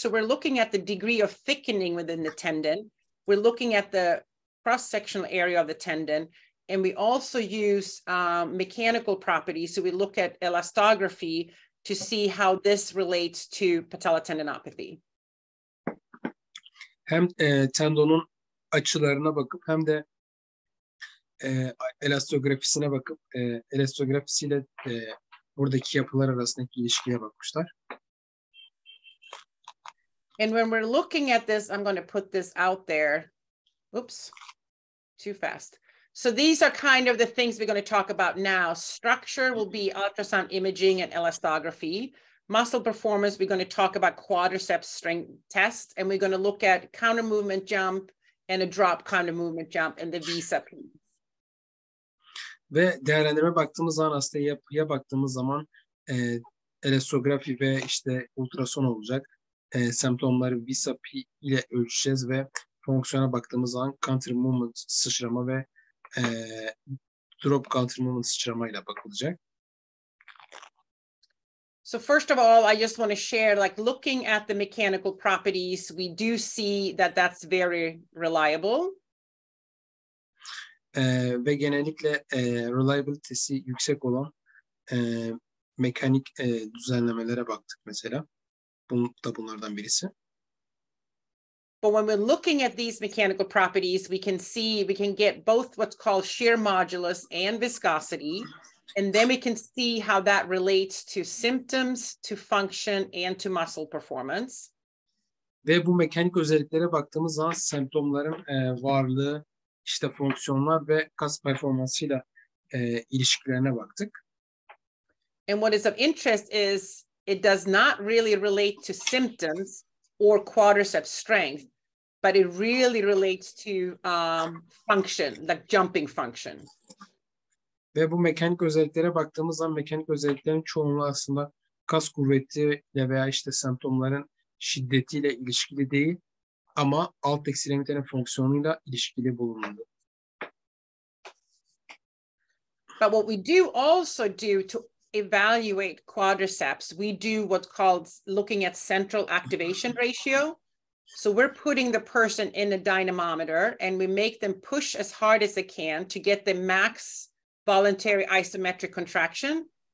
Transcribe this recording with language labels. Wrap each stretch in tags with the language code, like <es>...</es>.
<en>So we're looking at the degree of thickening within the tendon. We're looking at the cross-sectional area of the tendon. And we also use mechanical properties. So we look at elastography to see how this relates to patellotendinopathy.</en> <tr>Hem tendonun açılarına bakıp hem de elastografisine bakıp elastografisiyle buradaki yapılar arasındaki ilişkiye bakmışlar.</tr> <en>And when we're looking at this, I'm going to put this out there. Oops, too fast. So these are kind of the things we're going to talk about now. Structure will be ultrasound imaging and elastography. Muscle performance, we're going to talk about quadriceps strength tests, and we're going to look at counter movement jump and a drop counter movement jump and the VSAP.</en> <tr>Ve değerlendirme baktığımız zaman aslında yapıya baktığımız zaman elastografi ve işte ultrason olacak. Semptomları VSAP ile ölçeceğiz ve fonksiyona baktığımız zaman counter movement sıçrama ve drop counter movement sıçrama ile bakılacak.</tr> <en>So first of all, I just want to share, like looking at the mechanical properties, we do see that that's very reliable.</en> <tr>Ve genellikle reliability'si yüksek olan mekanik düzenlemelere baktık mesela. Bu da bunlardan birisi.</tr> <en>But when we're looking at these mechanical properties, we can see, we can get both what's called shear modulus and viscosity. And then we can see how that relates to symptoms, to function, and to muscle performance.</en> <tr>Ve bu mekanik özelliklere baktığımız zaman semptomların varlığı, işte fonksiyonlar ve kas performansıyla ilişkilerine baktık.</tr> <en>And what is of interest is it does not really relate to symptoms or quadriceps strength, but it really relates to function, like jumping function.</en> <tr>Ve bu mekanik özelliklere baktığımız zaman mekanik özelliklerin çoğunluğu aslında kas kuvvetiyle veya işte semptomların şiddetiyle ilişkili değil ama alt ekstremitenin fonksiyonuyla ilişkili bulunuyor.</tr> <en>But what we do also do to evaluate quadriceps, we do what's called looking at central activation ratio. So we're putting the person in a dynamometer and we make them push as hard as they can to get the max voluntary isometric contraction.</en>